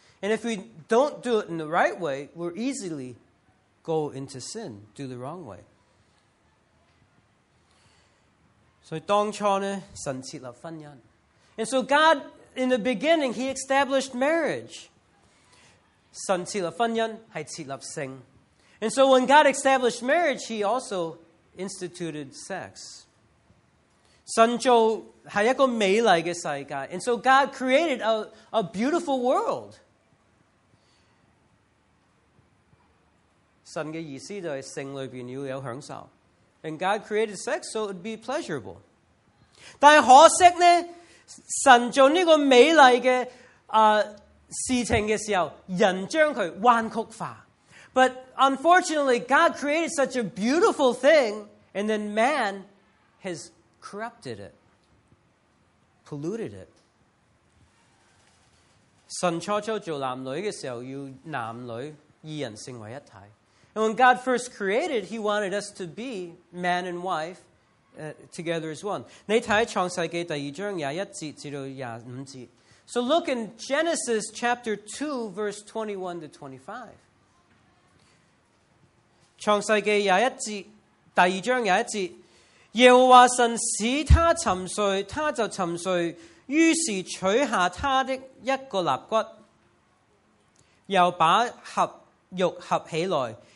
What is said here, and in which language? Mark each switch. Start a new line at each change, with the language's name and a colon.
English: And if we don't do it in the right way, we'll easily go into sin, do the wrong way.
Chinese: 所以当初呢，神设立婚姻。
English: And so God, in the beginning, He established marriage.
Chinese: 神设立婚姻是设立性。
English: And so when God established marriage, He also instituted sex.
Chinese: 神造是一个美丽的世界。
English: And so God created a beautiful world.
Chinese: 神的意思就是性里面要有享受。
English: And God created sex so it would be pleasurable.
Chinese: 但是可惜呢，神做这个美丽的事情的时候，人将它弯曲化。
English: But unfortunately, God created such a beautiful thing, and then man has corrupted it, polluted it.
Chinese: 神初初做男女的时候，要男女二人成为一体。
English: And when God first created, He wanted us to be man and wife together as one.
Chinese: 你看创世纪第二章廿一节至到廿五节。
English: So look in Genesis chapter 2, verse 21 to 25.
Chinese: 创世纪廿一节第二章廿一节，耶和华神使他沉睡，他就沉睡，于是取下他的一个肋骨，又把合肉合起来。